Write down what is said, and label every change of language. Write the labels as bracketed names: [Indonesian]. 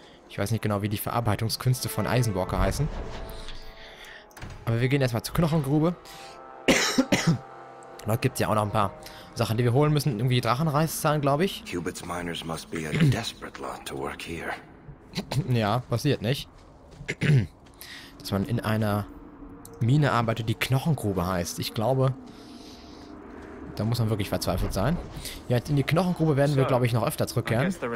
[German] Ich weiß nicht genau, wie die Verarbeitungskünste von Eisenborke heißen. Aber wir gehen erstmal zur Knochengrube. Dort gibt es ja auch noch ein paar Sachen, die wir holen müssen. Irgendwie Drachenreißzahlen, glaube ich. [English] Cubits Miners must be a desperate lot to work here. [German] Ja, passiert nicht. Dass man in einer Mine arbeitet, die Knochengrube heißt. Ich glaube, da muss man wirklich verzweifelt sein. Ja, in die Knochengrube werden wir, glaube ich, noch öfter zurückkehren.